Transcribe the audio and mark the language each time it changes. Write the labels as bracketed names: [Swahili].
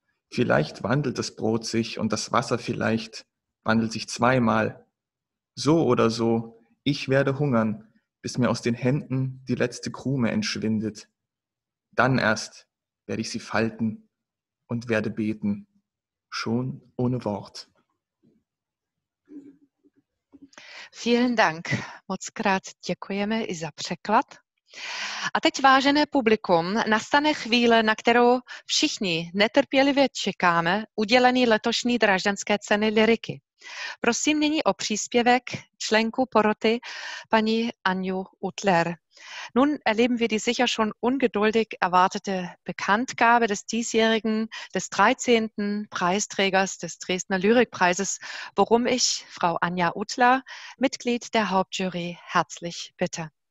[German] Vielleicht wandelt das Brot sich und das Wasser vielleicht wandelt sich zweimal. So oder so, ich werde hungern, bis mir aus den Händen die letzte Krume entschwindet. Dann erst werde ich sie falten und werde beten, schon ohne Wort. Vielen Dank. [Czech] Moc krát děkujeme i za překlad. A teď, vážené publikum, nastane chvíle, na kterou všichni netrpělivě čekáme udělení letošní Drážďanské ceny lyriky. Prosím nyní o příspěvek členku poroty paní Anju Utler. [German] Nun erleben wir die sicher schon ungeduldig erwartete Bekanntgabe des diesjährigen, des 13. Preisträgers des Dresdner Lyrikpreises, worum ich Frau Anja Utler, Mitglied der Hauptjury, herzlich bitte.